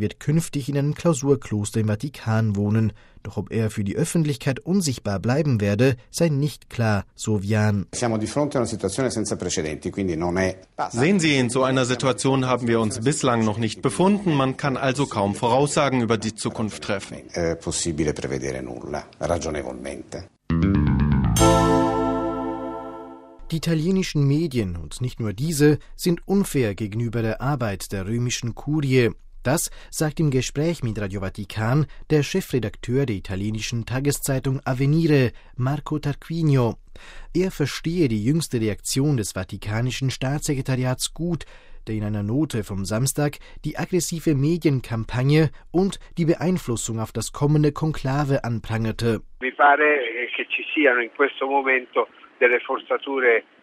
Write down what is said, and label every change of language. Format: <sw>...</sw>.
<de>Wird künftig in einem Klausurkloster im Vatikan wohnen. Doch ob er für die Öffentlichkeit unsichtbar bleiben werde, sei nicht klar, so Vian. Sehen Sie, in so einer Situation haben wir uns bislang noch nicht befunden. Man kann also kaum Voraussagen über die Zukunft treffen.</de> <it>Possibile prevedere nulla, ragionevolmente.</it> <de>Die italienischen Medien, und nicht nur diese, sind unfair gegenüber der Arbeit der römischen Kurie. Das sagt im Gespräch mit Radio Vatikan der Chefredakteur der italienischen Tageszeitung Avvenire, Marco Tarquinio. Er verstehe die jüngste Reaktion des vatikanischen Staatssekretariats gut, der in einer Note vom Samstag die aggressive Medienkampagne und die Beeinflussung auf das kommende Konklave anprangerte.</de> <it>Mi pare che ci siano in questo momento delle forzature.</it>